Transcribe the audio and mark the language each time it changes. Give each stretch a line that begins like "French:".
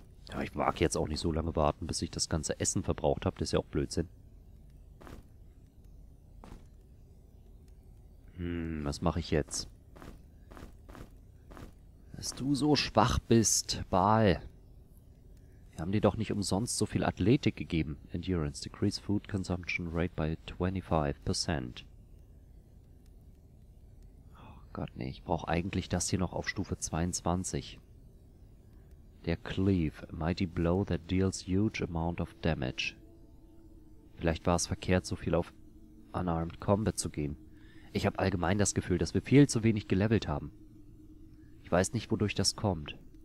German: Ja, ich mag jetzt auch nicht so lange warten, bis ich das ganze Essen verbraucht habe. Das ist ja auch Blödsinn. Was mache ich jetzt? Dass du so schwach bist, Baal. Wir haben dir doch nicht umsonst so viel Athletik gegeben.
English: Endurance, decrease food consumption rate by 25%.
German: Gott, nee, ich brauche eigentlich das hier noch auf Stufe 22.
English: Der Cleave, a mighty blow that deals huge amount of damage.
German: Vielleicht war es verkehrt, so viel auf Unarmed Combat zu gehen. Ich habe allgemein das Gefühl, dass wir viel zu wenig gelevelt haben. Ich weiß nicht, wodurch das kommt.